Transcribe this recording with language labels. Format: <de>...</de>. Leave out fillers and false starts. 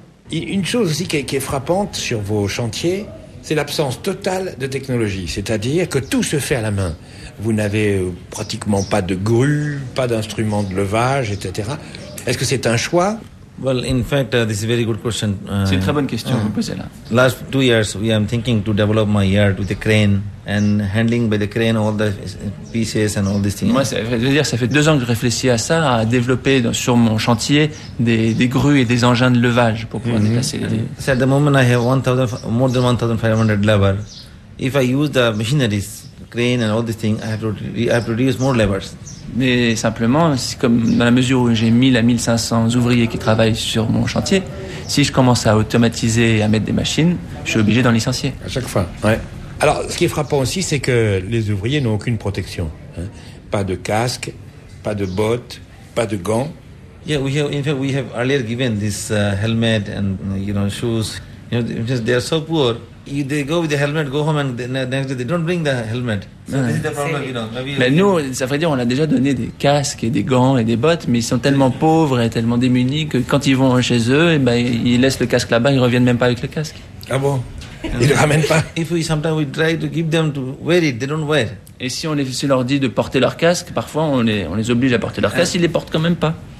<fr>Une chose aussi qui est frappante sur vos chantiers, c'est l'absence totale de technologie, c'est-à-dire que tout se fait à la main. Vous n'avez pratiquement pas de grue, pas d'instrument de levage, etc. Est-ce que c'est un choix?</fr> <en>Well, in fact, this is a very good question.</en> <fr>C'est une très bonne question que vous posez là.</fr> <en>Last 2 years, we are thinking to develop my yard with a crane and handling by the crane all the pieces and all these things.</en> <fr>Moi, ça fait 2 ans que je réfléchis à ça, à développer sur mon chantier des grues et des engins de levage pour pouvoir déplacer les.</fr> <en>So at the moment, I have 1,500 levers. If I use the machinery, crane and all these things, I have to use more levers.</en> <fr>Mais simplement, c'est comme dans la mesure où j'ai 1000 à 1500 ouvriers qui travaillent sur mon chantier, si je commence à automatiser et à mettre des machines, je suis obligé d'en licencier. À chaque fois, ouais. Alors, ce qui est frappant aussi, c'est que les ouvriers n'ont aucune protection. Hein. Pas de casque, pas de bottes, pas de gants.</fr> <en>Yeah, we have earlier given this helmet and, you know, shoes. You know, just they are so poor. They go with the helmet, go home, and they don't bring the helmet.</en> <fr>Mais nous, ça veut dire, on a déjà donné des casques et des gants et des bottes, mais ils sont tellement pauvres et tellement démunis que quand ils vont chez eux, et ben ils laissent le casque là-bas, ils reviennent même pas avec le casque. Ah bon? Ils le ramènent pas?</fr> <en>If we sometimes we try to give them to wear it, they don't wear.</en> <fr>Et si on leur dit de porter leur casque, parfois on les oblige à porter leur casque, ils les portent quand même pas.</fr>